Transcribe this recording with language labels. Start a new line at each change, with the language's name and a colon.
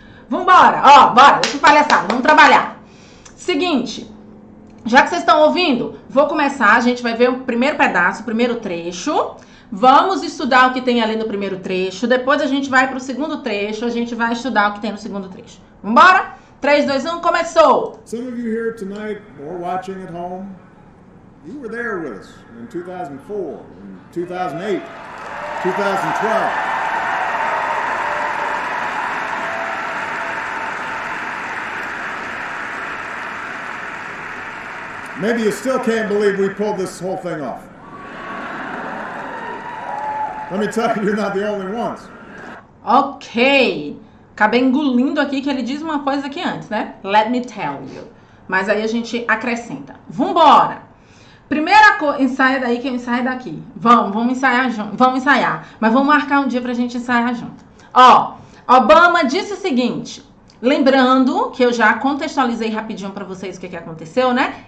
Portuguese: Vambora, ó, bora. Deixa eu palhaçar. Vamos trabalhar. Seguinte, já que vocês estão ouvindo, vou começar. A gente vai ver o primeiro pedaço, o primeiro trecho. Vamos estudar o que tem ali no primeiro trecho. Depois a gente vai para o segundo trecho. A gente vai estudar o que tem no segundo trecho. Vambora? 3, 2, 1, começou!
English: Some of you here tonight or watching at home, you were there with us in 2004, in 2008, 2012. Maybe you still can't believe we pulled this whole thing off. Let me tell you, you're not the only ones.
Portuguese: Ok, acabei engolindo aqui que ele diz uma coisa aqui antes, né?
English: Let me tell you.
Portuguese: Mas aí a gente acrescenta. Vambora! Primeira coisa, ensaia daí que eu ensaio daqui. Vamos ensaiar junto. Vamos ensaiar. Mas vamos marcar um dia pra gente ensaiar junto. Ó, Obama disse o seguinte, lembrando que eu já contextualizei rapidinho pra vocês o que que aconteceu, né?